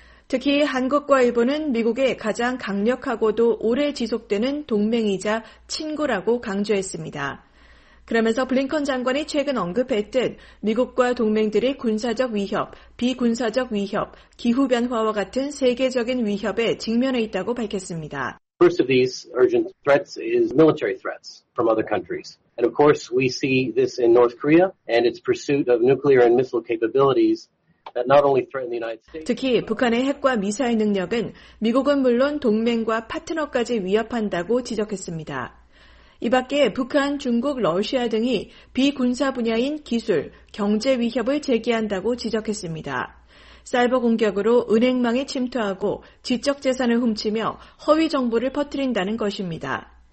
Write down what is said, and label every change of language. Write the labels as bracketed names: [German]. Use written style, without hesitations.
[Korean] 특히 한국과 일본은 미국의 가장 강력하고도 오래 지속되는 동맹이자 친구라고 강조했습니다. 그러면서 블링컨 장관이 최근 언급했듯 미국과 동맹들의 군사적 위협, 비군사적 위협, 기후변화와 같은 세계적인 위협에 직면해 있다고 밝혔습니다. [English] First of these urgent threats is military threats from other countries. And of course, we see this in North Korea and its pursuit of nuclear and missile capabilities that not only threaten the United States. [Korean] 특히 북한의 핵과 미사일 능력은 미국은 물론 동맹과 파트너까지 위협한다고 지적했습니다. 이 밖에 북한, 중국, 러시아 등이 비군사 분야인 기술, 경제 위협을 제기한다고 지적했습니다. 사이버 공격으로 은행망에 침투하고 지적 재산을 훔치며 허위 정보를 퍼뜨린다는 것입니다.